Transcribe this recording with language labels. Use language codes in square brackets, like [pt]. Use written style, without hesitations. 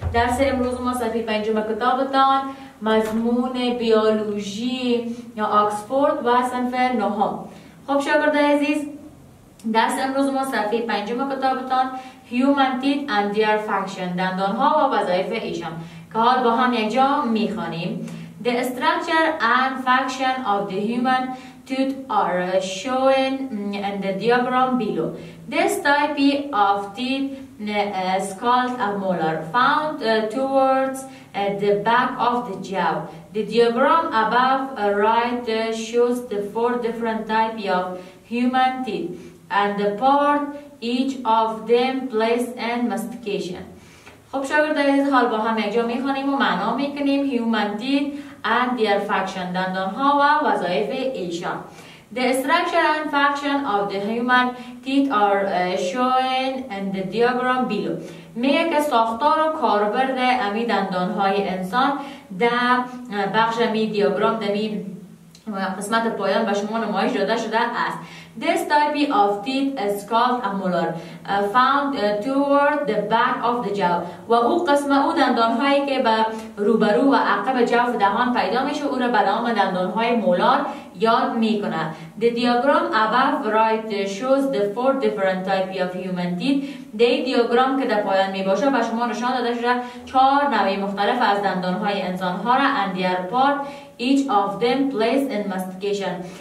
[fa] درس امروز ما صفحه 5 کتابتان، مضمون بیولوژی یا آکسفورد و صنف 9. خب شاگرد عزیز، درس امروز ما صفحه 5 کتابتان [en] Human Teeth and Their Function، [fa] دندان ها و وظایف ایشان، که حال با هم یک جا میخوانیم. [en] The structure and function of the human tooth are shown in the diagram below. This type of teeth is called a molar, found towards the back of the jaw. The diagram above right shows the 4 different types of human teeth and the part each of them plays in mastication. [fa] خب شاگرد عزیز، حال با هم یک جا میخوانیم و معنا میکنیم [en] human teeth and their function، [fa] دندان ها و وظایف ایشان. [en] The structure and function of the human teeth are shown in the diagram below. [fa] میگه که ساختار و کاربرد امی دندان های انسان در بخش امی دیاگرام در امی قسمت پایان به شما نمایش داده شده است. [en] This type of teeth is called a molar, found toward the back of the jaw. [fa] و او قسم او دندان هایی که به روبرو و عقب جوف دهان پیدا میشه او را به نام دندان های مولار یاد میکنه. [en] The diagram above right shows the 4 different types of human teeth. [fa] دی دیاگرام که در پایان میباشه به شما نشان داده شده 4 نوع مختلف از دندان های انسان ها را، [en] and their part each of them plays in mastication.